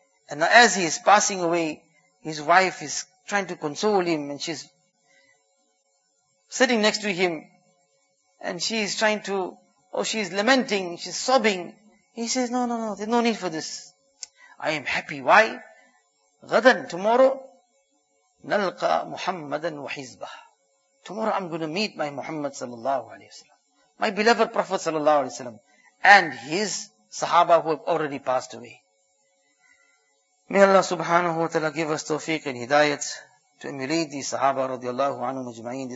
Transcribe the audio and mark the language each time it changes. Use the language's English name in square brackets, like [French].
[English] And now as he is passing away, his wife is trying to console him and she's sitting next to him and she is trying to, she is lamenting, she's sobbing. He says, no, there's no need for this. I am happy. Why? [Arabic] غَدًا [English] tomorrow, [Arabic] نَلْقَى مُحَمَّدًا وَحِزْبَهُ. [English] Tomorrow I'm going to meet my Muhammad sallallahu alayhi wa sallam. My beloved Prophet sallallahu alayhi wa sallam. And his Sahaba who have already passed away. May Allah subhanahu wa ta'ala give us tawfiq and hidayat to emulate these Sahaba radiallahu anhu majma'in.